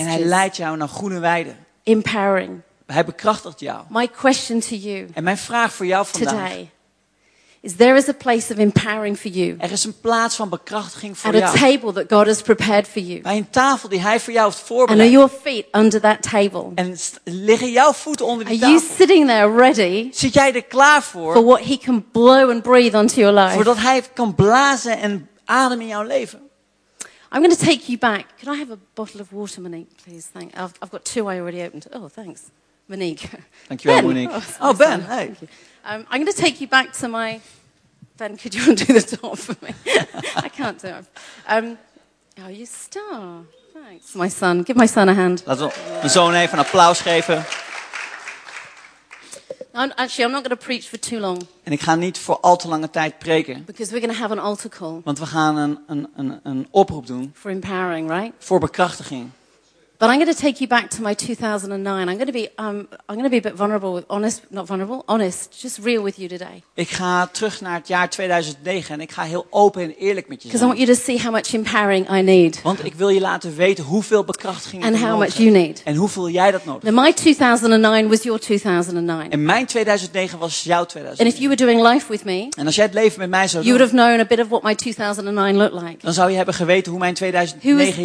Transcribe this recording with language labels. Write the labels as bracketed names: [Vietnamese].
[Dutch] En hij leidt jou naar groene weiden. [English] Empowering. [Dutch] Hij bekrachtigt jou. [English] My question to you. [Dutch] En mijn vraag voor jou vandaag. [English] Today, is there is a place of empowering for you? [Dutch] Er is een plaats van bekrachtiging voor [English] at [Dutch] jou. [English] At a table that God has prepared for you. [Dutch] Bij een tafel die Hij voor jou heeft voorbereid. [English] And are your feet under that table? [Dutch] En liggen jouw voeten onder die [English] are [Dutch] tafel? [English] Are you sitting there ready? [Dutch] Zit jij er klaar voor? [English] For what He can blow and breathe onto your life. [Dutch] Voordat Hij kan blazen en ademen in jouw leven. [English] I'm going to take you back. Can I have a bottle of water, Monique, please? Thank. I've got two I already opened. Oh, thanks, Monique. Thank you, Ben. Monique. Oh, sorry, Ben. Hey. Thank you. I'm going to take you back to my... Ben, could you undo the door for me? I can't do it. Oh, you star. Thanks. My son. Give my son a hand. [Dutch] Laten we mijn zoon even een applaus geven. [English] Actually, I'm not going to preach for too long. [Dutch] En ik ga niet voor al te lange tijd preken. [English] Because we're going to have an altar call. [Dutch] Want we gaan een oproep doen. [English] For empowering, right? [Dutch] Voor bekrachtiging. [English] But I'm going to take you back to my 2009. I'm going to be a bit vulnerable, honest, just real with you today. [Dutch] Ik ga terug naar het jaar 2009 en ik ga heel open en eerlijk met je zijn. [English] Because I want you to see how much empowering I need. [Dutch] Want ik wil je laten weten hoeveel bekrachtiging ik nodig heb. [English] And how much you need. [Dutch] En hoeveel jij dat nodig hebt. [English] My 2009 was your 2009. [Dutch] En mijn 2009 was jouw 2009. [English] And if you were doing life with me. [Dutch] En als jij het leven met mij zou doen. [English] You would have known a bit of what my 2009 looked like. [Dutch] Dan zou je hebben geweten hoe mijn 2009